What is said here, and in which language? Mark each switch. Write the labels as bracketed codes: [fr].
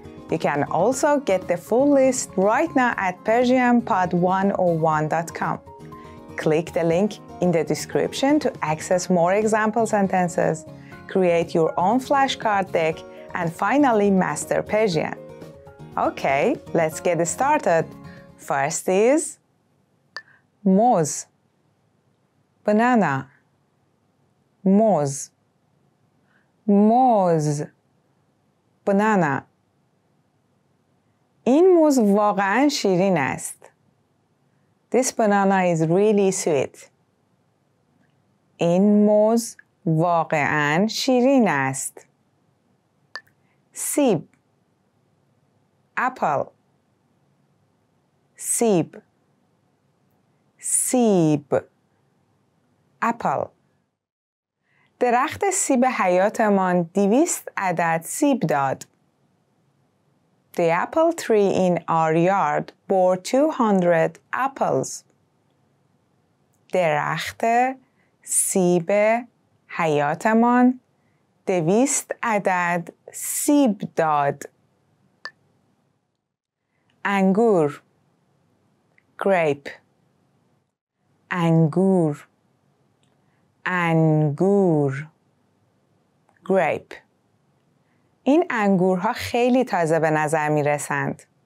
[en] You can also get the full list right now at PersianPod101.com. Click the link in the description to access more example sentences, create your own flashcard deck, and finally master Persian. Okay, let's get started. First is [fa] موز بنانا موز موز بنانا این موز واقعا شیرین است. [en] This banana is really sweet. [fa] این موز واقعا شیرین است. سیب اپل سیب سیب اپل درخت سیب حیاتمان 200 عدد سیب داد. [en] The apple tree in our yard bore 200 apples. [fa] درخت سیب حیاتمان 200 عدد سیب داد. انگور grape انگور انگور grape این انگورها خیلی تازه به نظر می رسند.